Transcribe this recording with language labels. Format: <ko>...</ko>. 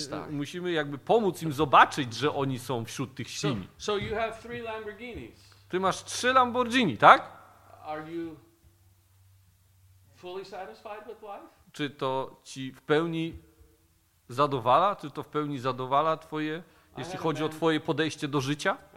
<pl>Musimy jakby pomóc im zobaczyć, że oni są wśród tych świń.</pl> <en>So you have three Lamborghinis.</en> <pl>Ty masz trzy Lamborghini, tak?</pl> <en>Are you fully satisfied with life?</en> <pl>Czy to ci w pełni zadowala? Czy to w pełni zadowala twoje, jeśli chodzi o twoje podejście do życia?</pl>